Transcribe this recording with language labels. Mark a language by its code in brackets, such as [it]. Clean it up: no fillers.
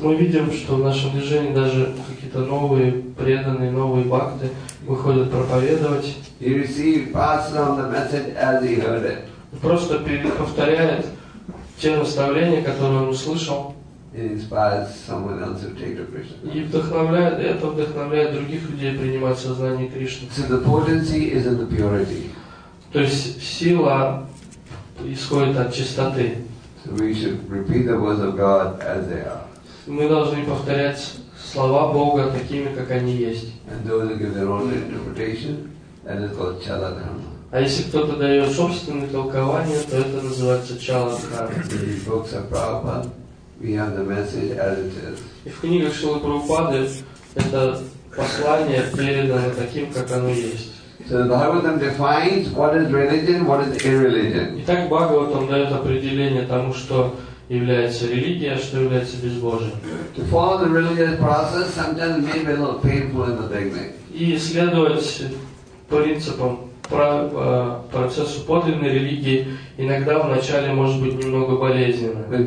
[ru] Мы видим, что в нашем движении даже какие-то новые преданные, новые бхакты выходят проповедовать. [en] He received, passed on the message as he heard it. [ru] Просто повторяет те наставления, которые он услышал. [en] It inspires someone else to take the Krishna. [ru] И вдохновляет, это вдохновляет других людей принимать сознание Кришны. [en] So the potency is in the purity. [ru] То есть сила исходит от чистоты. [en] So we should repeat the words of God as they are. [ru] Мы должны повторять слова Бога такими, как они есть. [en] And those who give their own interpretation. And it's called chala dharma. [ru] А если кто-то дает собственное толкование, то это называется чала дхарма. [en] In the books of Prabhupada, we have the message as it is. [ru] И в книгах Шрилы Прабхупады это послание передано таким, как оно есть. [en] So the Bhagavatam defines what is religion, what is irreligion. [ru] Итак, Бхагаватам дает определение тому, что является религией, а что является безбожием. [en] To follow the religious process sometimes may be a little painful in the beginning. [ru] И следовать принципом процессу подлинной религии иногда в начале может быть немного болезненно.